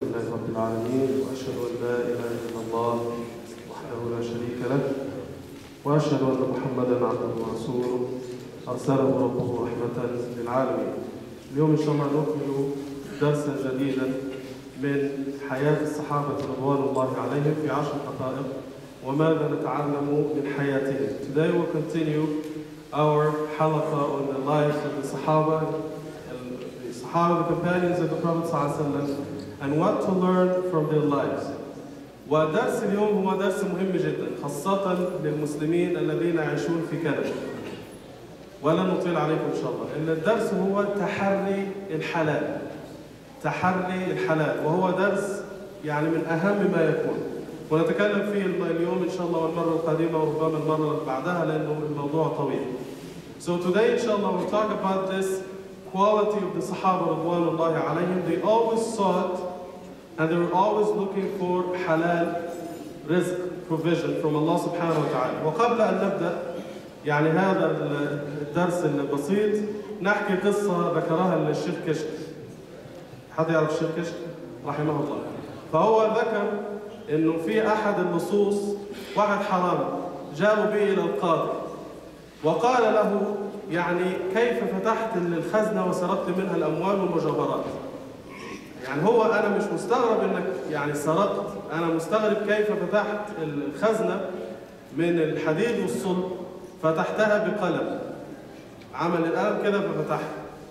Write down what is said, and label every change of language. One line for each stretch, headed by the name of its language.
Arabic: العالمين وأشهد أن لا إله إلا الله وحده لا شريك له وأشهد أن محمدا عبده ورسوله أرسله ربه رحمة للعالمين. اليوم إن شاء الله نكمل درسا جديدا من حياة الصحابة رضوان الله عليهم في عشر حقائق وماذا نتعلم من حياتهم.
English: Today we'll continue our halakha on the life of the Sahaba, the Sahaba, the companions of the Prophet صلى الله عليه وسلم, and what to learn from their lives.
Arabic: ودرس اليوم هو درس مهم جدا خاصة للمسلمين الذين يعيشون في كندا. ولا نطيل عليكم إن شاء الله. إن الدرس هو تحري الحلال. تحري الحلال وهو درس يعني من أهم ما يكون. ونتكلم فيه اليوم إن شاء الله والمرة القادمة وربما المرة بعدها لأنه الموضوع طويل.
English: So today
Arabic: إن شاء الله
English: we'll talk about this quality of the Sahaba
Arabic: رضوان الله عليهم.
English: They always sought and they were always looking for halal rizq provision from Allah subhanahu wa ta'ala.
Arabic: وقبل أن نبدأ يعني هذا الدرس البسيط نحكي قصة ذكرها الشيخ كشك. حد يعرف الشيخ كشك رحمه الله؟ فهو ذكر إنه في أحد النصوص واحد حرام جاءوا به إلى القاضي وقال له يعني كيف فتحت الخزنة وسرقت منها الأموال والمجوهرات؟ يعني هو أنا مش مستغرب إنك يعني سرقت, أنا مستغرب كيف فتحت الخزنة من الحديد والصلب فتحتها بقلم عمل الآن كذا ففتحها.